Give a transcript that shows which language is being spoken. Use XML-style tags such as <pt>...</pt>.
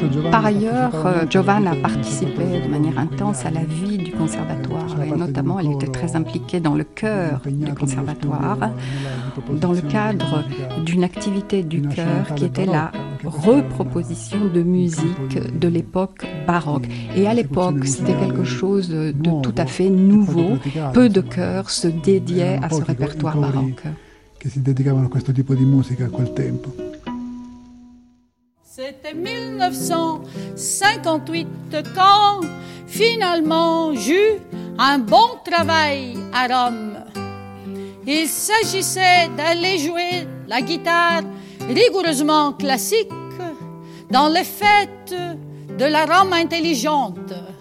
<fr>Par ailleurs, Giovanna participait de manière intense à la vie du conservatoire et notamment elle était très impliquée dans le chœur du conservatoire dans le cadre d'une activité du chœur qui était la reproposition de musique de l'époque baroque. Et à l'époque, c'était quelque chose de tout à fait nouveau. Peu de chœurs se dédiaient à ce répertoire baroque.</fr> <it>Che si dedicavano a questo tipo di musica a quel tempo.</it> <fr>C'était 1958 quand finalement j'eus un bon travail à Rome. Il s'agissait d'aller jouer la guitare rigoureusement classique dans les fêtes de la Rome intelligente.</fr>